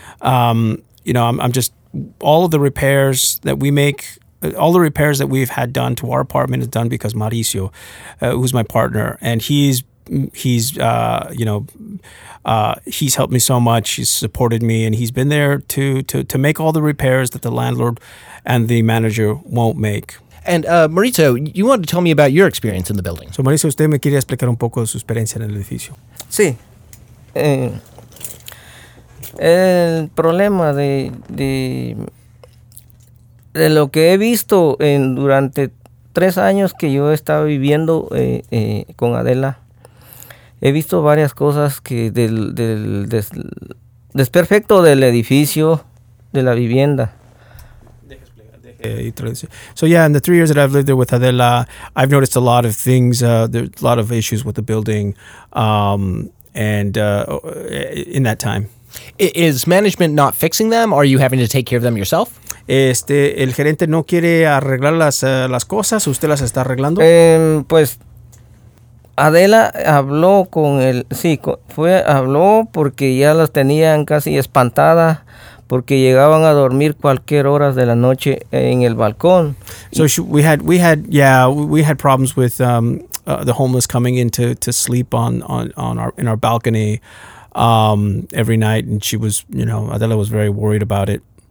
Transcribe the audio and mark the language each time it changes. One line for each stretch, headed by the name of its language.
English: I'm just, all of the repairs that we make, all the repairs that we've had done to our apartment is done because Mauricio, who's my partner, and he's helped me so much. He's supported me, and he's been there to make all the repairs that the landlord and the manager won't make. And Mauricio, you wanted to tell me about your experience in the building.
Spanish: So Mauricio, usted me quiere explicar un poco su experiencia en el edificio. Sí. El problema de lo que he visto durante 3 años que yo he estado viviendo con Adela, he visto varias cosas que del desperfecto del edificio, de la vivienda.
English: So yeah, in the 3 years that I've lived there with Adela, I've noticed a lot of things, there's a lot of issues with the building in that time. Is management not fixing them, or are you having to take care of them yourself?
Spanish: El gerente no quiere arreglar las cosas, ¿usted las está arreglando? Pues Adela habló con él, sí, habló porque ya las tenían casi espantadas, porque llegaban a dormir cualquier horas de la noche en el balcón.
English: So we had problems with the homeless coming in to sleep in our balcony every night, and she was, you know, Adela was very worried about it.